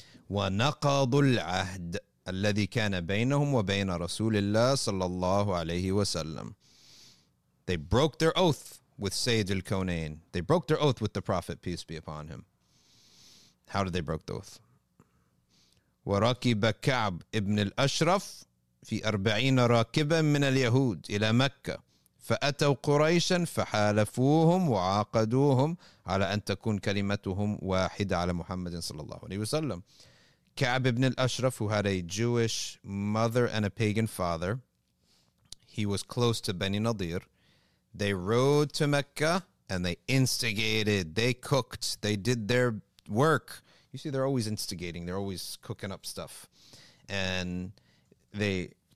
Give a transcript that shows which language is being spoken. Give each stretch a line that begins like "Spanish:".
Arabic: وَنَقَضُ الْعَهْدِ الَّذِي كَانَ بَيْنَهُمْ وَبَيْنَ رَسُولِ اللَّهِ صَلَّى اللَّهُ عَلَيْهِ وَسَلَّمْ.
English: They broke their oath with Sayyid al-Kawnayn. They broke their oath with the Prophet, peace be upon him. How did they break the oath?
Arabic: وَرَكِبَ كَعْبْ إِبْنِ الْأَشْرَفِ في أربعين راكبا من اليهود إلى مكة فأتوا قريشا فحالفوهم وعاقدوهم على أن تكون كلمتهم واحدة على محمد صلى الله عليه وسلم.
English: كعب بن الأشرف, who had a Jewish mother and a pagan father, he was close to Bani Nadir. They rode to Mecca and they instigated, they cooked, they did their work. You see, they're always instigating, they're always cooking up stuff. And they